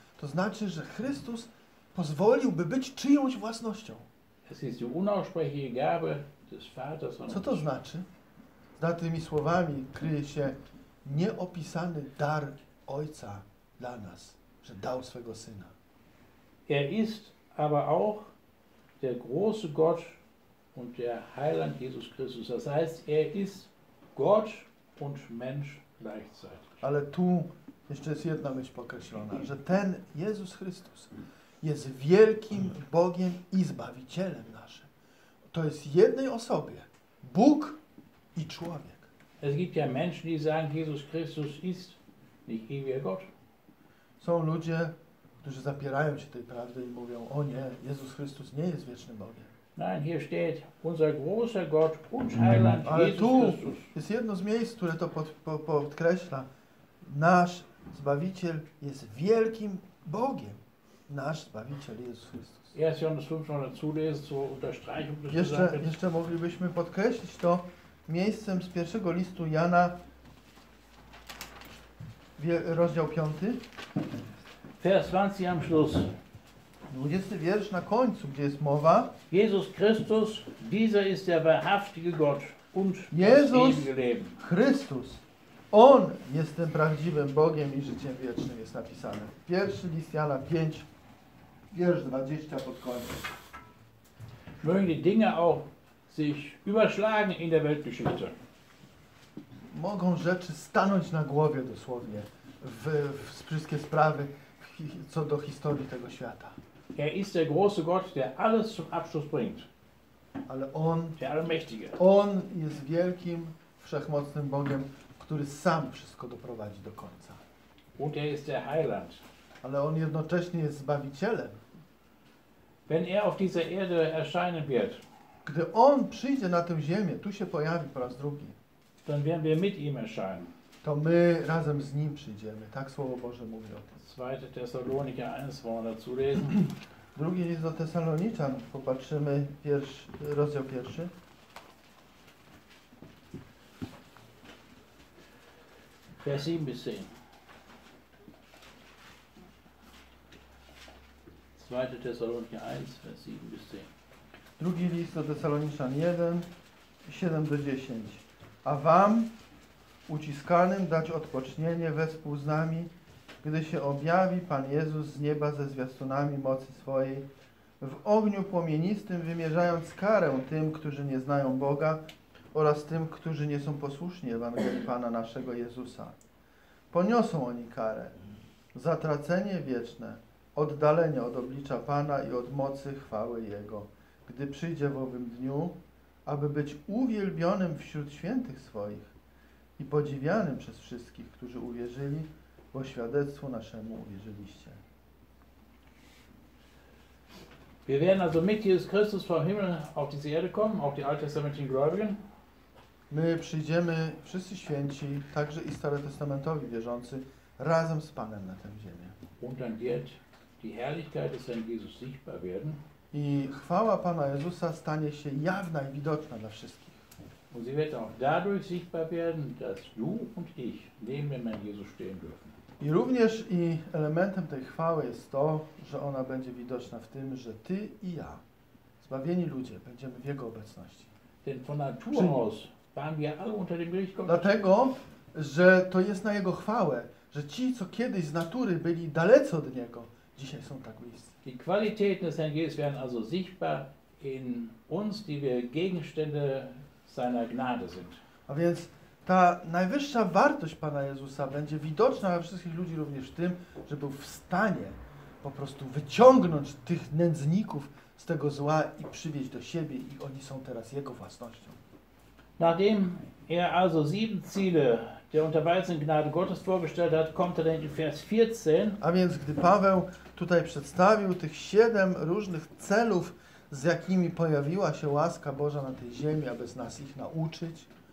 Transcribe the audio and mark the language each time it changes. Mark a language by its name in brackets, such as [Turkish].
[Polish] To znaczy, że Chrystus pozwoliłby być czyjąś własnością. [German] Es ist die unaussprechliche Gabe des Vaters. [Polish] Co to znaczy? Za tymi słowami kryje się nieopisany dar Ojca dla nas, że dał swego Syna. [German] Er ist aber auch der große Gott und der Heiland Jesus Christus. Das heißt, er ist Gott und Mensch gleichzeitig. [Polish] Ale tu jeszcze jest jedna myśl pokreślona, że ten Jezus Chrystus jest wielkim Bogiem i Zbawicielem naszym. To jest jednej osobie. Bóg i człowiek. [German] Es gibt ja Menschen, die sagen, Jesus Christus ist nicht ewiger Gott. [Polish] Są ludzie, którzy zapierają się tej prawdy i mówią, o nie, Jezus Chrystus nie jest wiecznym Bogiem. [German] Nein, hier steht unser großer Gott und Heiland [Polish] Ale [German] Jesus [Polish] tu [German] Christus. [Polish] Jest jedno z miejsc, które to podkreśla. Nasz Zbawiciel jest wielkim Bogiem. Nasz Zbawiciel Jezus Chrystus. Jeszcze moglibyśmy podkreślić to miejscem z pierwszego listu Jana, rozdział 5. [German] Vers 20 am Schluss. [Polish] 20. wiersz na końcu, gdzie jest mowa. [German] Jesus Christus, dieser ist der wahrhaftige Gott und Jesus das ewige Leben. [Polish] Chrystus, on jest tym prawdziwym Bogiem i życiem wiecznym, jest napisane. Pierwszy list Jana 5, wiersz 20 pod koniec. [German] Mögen die Dinge auch sich überschlagen in der Weltgeschichte. [Polish] Mogą rzeczy stanąć na głowie dosłownie w wszystkie sprawy, co do historii tego świata. [German] Er ist der große Gott, der alles zum Abschluss bringt. [Polish] Ale on, [German] der Allmächtige. [Polish] On jest wielkim, wszechmocnym Bogiem, który sam wszystko doprowadzi do końca. [German] Und er ist der Heiland. [Polish] Ale on jednocześnie jest Zbawicielem. [German] Wenn er auf dieser Erde erscheinen wird, [Polish] gdy on przyjdzie na tę ziemię, tu się pojawi po raz drugi, [German] dann werden wir mit ihm erscheinen. [Polish] To my razem z nim przyjdziemy. Tak Słowo Boże mówi o tym. [German] 2. Thessalonicher 1, wollen wir dazu lesen. [Polish] Drugi list do Tesaloniczan. Popatrzymy rozdział pierwszy. [German] Vers 7 bis 10. 2. Thessalonicher 1, Vers 7 bis 10. [Polish] Drugi list do Tesaloniczan 1, 7 do 10. A wam, uciskanym, dać odpocznienie wespół z nami, gdy się objawi Pan Jezus z nieba ze zwiastunami mocy swojej, w ogniu płomienistym wymierzając karę tym, którzy nie znają Boga oraz tym, którzy nie są posłuszni Ewangelii Pana naszego Jezusa. Poniosą oni karę, zatracenie wieczne, oddalenie od oblicza Pana i od mocy chwały Jego, gdy przyjdzie w owym dniu, aby być uwielbionym wśród świętych swoich i podziwianym przez wszystkich, którzy uwierzyli, bo świadectwu naszemu uwierzyliście. [German] Wir werden also mit Jesus Christus vom Himmel auf diese Erde kommen, auch die alttestamentlichen Gläubigen. [Polish] My przyjdziemy, wszyscy święci, także i starotestamentowi wierzący, razem z Panem na tę ziemię. [German] Und dann wird die Herrlichkeit des Herrn Jesus sichtbar werden. [Polish] I chwała Pana Jezusa stanie się jawna i widoczna dla wszystkich. [German] Und sie wird auch dadurch sichtbar werden, dass du und ich neben dem Herrn Jesus stehen dürfen. [Polish] I również i elementem tej chwały jest to, że ona będzie widoczna w tym, że ty i ja, zbawieni ludzie, będziemy w Jego obecności. [German] Denn von Natur aus waren wir alle unter dem Gericht Gottes. [Polish] Dlatego, że to jest na Jego chwałę, że ci, co kiedyś z natury byli dalece od Niego, dzisiaj są tak bliscy. [German] Die Qualitäten des Herrn Jesus werden also sichtbar in uns, die wir Gegenstände seiner Gnade sind. [Polish] A więc ta najwyższa wartość Pana Jezusa będzie widoczna dla wszystkich ludzi również w tym, że był w stanie po prostu wyciągnąć tych nędzników z tego zła i przywieźć do siebie, i oni są teraz Jego własnością. [German] Nachdem er also sieben Ziele der unterweisenden Gnade Gottes vorgestellt hat, kommt er dann in Vers 14. [Polish] A więc gdy Paweł tutaj przedstawił tych siedem różnych celów, z jakimi pojawiła się łaska Boża na tej ziemi, aby z nas ich nauczyć,